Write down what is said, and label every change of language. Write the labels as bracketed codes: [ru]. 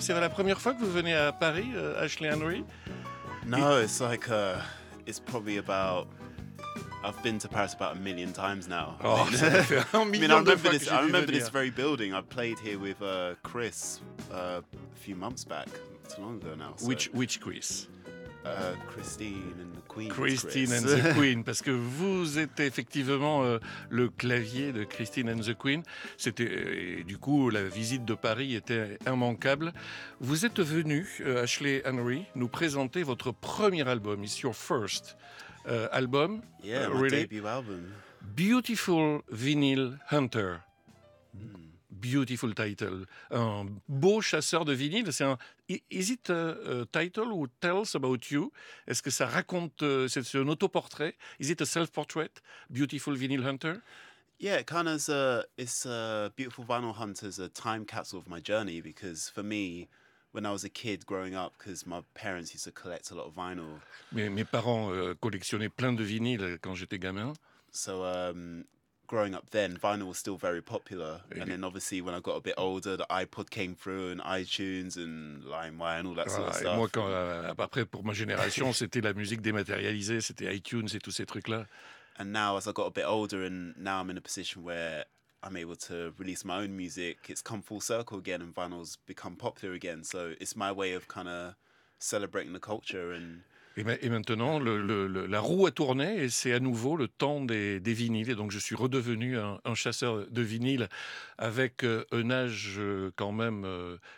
[fr] C'est la première fois que vous venez à Paris, Ashley Henry? [en] No, it's like it's probably about. I've been to Paris about a million times now. I remember this very building. I played here with Chris a few months back. It's long ago now. So. Which Chris? Christine and the Queen. [fr] Christine and the Queen, parce que vous êtes effectivement le clavier de Christine and the Queen. C'était, du coup, la visite de Paris était immanquable. Vous êtes venu, Ashley Henry, nous présenter votre premier album. [en] It's your first album. Yeah, my debut album. Beautiful Vinyl Hunter. Beautiful title. [fr] Un beau chasseur de vinyle. C'est un. [en] Is it a title who tells about you? [fr] Est-ce que ça raconte, c'est un autoportrait? [en] Is it a self-portrait? Beautiful Vinyl Hunter? Yeah, kind of. It's a Beautiful Vinyl Hunter is a time capsule of my journey because for me, when I was a kid growing up, because my parents used to collect a lot of vinyl. [fr] Mes parents collectionnaient plein de vinyle quand j'étais gamin. [en] So. Growing up then, vinyl was still very popular. And then obviously when I got a bit older, the iPod came through and iTunes and LimeWire and all that sort of stuff. [fr] Moi, quand, après, pour ma génération, c'était la musique dématérialisée, c'était iTunes et tous ces trucs-là. [en] And now, as I got a bit older and now I'm in a position where I'm able to release my own music, it's come full circle again and vinyl's become popular again. So it's my way of kind of celebrating the culture and... [fr] Et maintenant, la roue a tourné et c'est à nouveau le temps des vinyles. Et donc, je suis redevenu un chasseur de vinyles avec un âge quand même...